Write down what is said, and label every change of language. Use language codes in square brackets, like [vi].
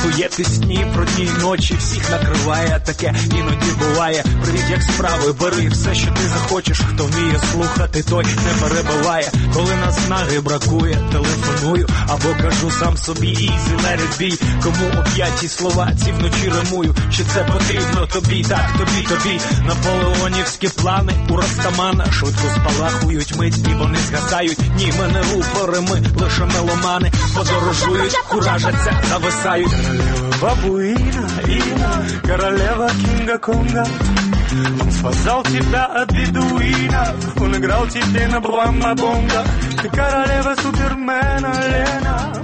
[uk] турбує ці сні про дні й ночі, всіх накриває таке, іноді буває. Привіт, як справи, бери все, що ти захочеш. Хто вміє слухати, той не перебиває. Коли наснаги бракує, телефоную або кажу сам собі [en] easy, let it be. [uk] Кому об'яті слова ці вночі римую? Чи це потрібно тобі? Так, тобі. Наполеонівські плани у Растамана швидко спалахують мить, і вони згасають. Ні, ми не рупори, ми лише меломани. Подорожують, куражаться, зависають. Королева бабуїна Іна, королева Кінга Конга. [ru] Он спасал тебя от бедуина, он играл тебе на бомба-бомба. Ты королева супермена Лена.